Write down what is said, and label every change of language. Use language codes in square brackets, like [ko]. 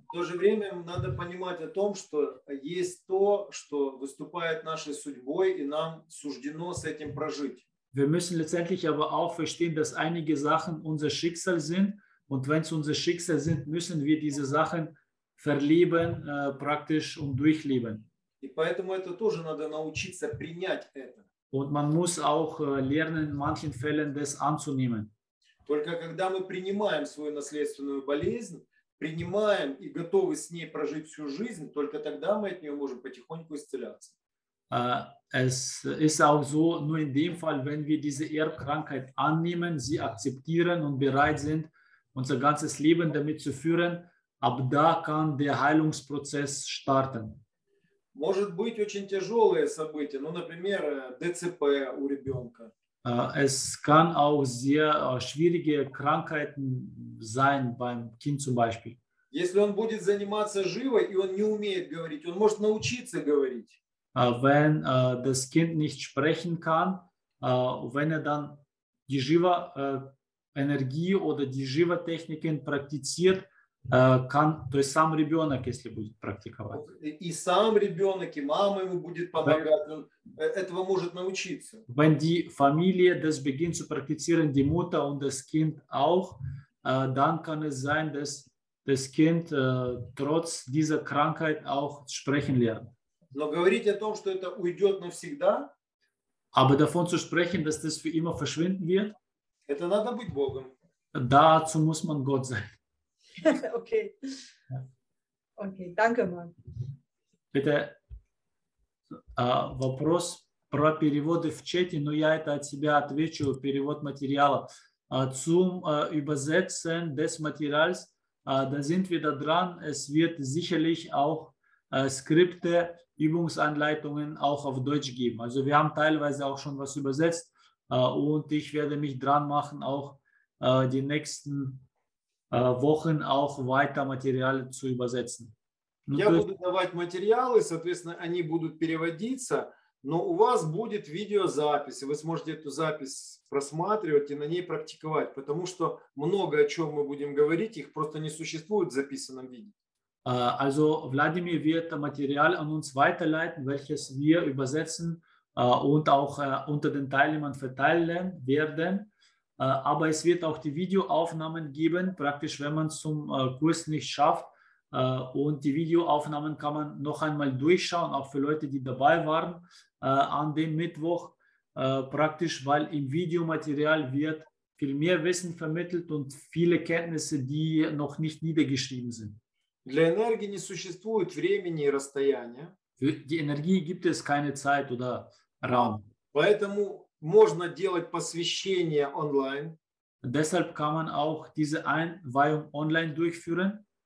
[ru] В то же время надо понимать о том, что есть то, что выступает нашей судьбой и нам суждено с этим прожить. [de] Wir müssen letztendlich aber auch verstehen, dass einige Sachen unser Schicksal sind. Und wenn es unser Schicksal sind, müssen wir diese Sachen verleben, praktisch und durchleben. [ru] И поэтому это тоже надо научиться принять это. [de] Und man muss auch lernen, in manchen Fällen das anzunehmen. [ru] Только когда мы принимаем свою наследственную болезнь, принимаем и готовы с ней прожить всю жизнь, только тогда мы от нее можем потихоньку исцеляться. [de] Es ist auch so, nur in dem Fall, wenn wir diese Erbkrankheit annehmen, sie akzeptieren und bereit sind, unser ganzes Leben damit zu führen, ab da kann der Heilungsprozess starten. [ru] Может быть, очень тяжелые события, ну, например, ДЦП у ребенка. [de] Es kann auch sehr schwierige Krankheiten sein beim Kind zum Beispiel. [ru] Если он будет заниматься живо и он не умеет говорить, он может научиться говорить. [de] Wenn das Kind nicht sprechen kann, wenn dann die Jiva Energie oder die Jiva Techniken praktiziert, kann, [ru] то есть сам ребенок, если будет практиковать. И сам ребенок, и мама ему будет помогать, он этого может научиться. [de] Wenn die Familie das beginnt zu praktizieren, die Mutter und das Kind auch, dann kann es sein, dass das Kind trotz dieser Krankheit auch sprechen lernt. [ru] Но говорить о том, что это уйдет навсегда, [de] aber davon zu sprechen, dass das für immer verschwinden wird, [ru] это надо быть Богом. [de] Dazu muss man Gott sein. Okay. Okay, danke, Mann. Bitte. [ru] Вопрос про переводы в чате, но я это от себя отвечу, перевод материала. [de] Zum Übersetzen des Materials, da sind wir da dran, es wird sicherlich auch Skripte, Übungsanleitungen auch auf Deutsch geben. Also wir haben teilweise auch schon was übersetzt und ich werde mich dran machen, auch die nächsten Wochen auch weiter Material zu übersetzen. [ru] Я буду давать материалы, соответственно, они будут переводиться, но у вас будет видеозапись, и вы сможете эту запись просматривать и на ней практиковать, потому что много о чем мы будем говорить, их просто не существует в записанном виде. [de] Also Wladimir wird Material an uns weiterleiten, welches wir übersetzen und auch unter den Teilnehmern verteilen werden. Aber es wird auch die Videoaufnahmen geben, praktisch wenn man es zum Kurs nicht schafft. Und die Videoaufnahmen kann man noch einmal durchschauen, auch für Leute, die dabei waren an dem Mittwoch. Praktisch, weil im Videomaterial wird viel mehr Wissen vermittelt und viele Kenntnisse, die noch nicht niedergeschrieben sind. [ru] Для энергии не существует времени и расстояния. Для энергии [de] gibt es keine Zeit oder Raum. [ru] Поэтому можно делать посвящение онлайн. [de] Deshalb kann man auch diese Einweihung online durchführen.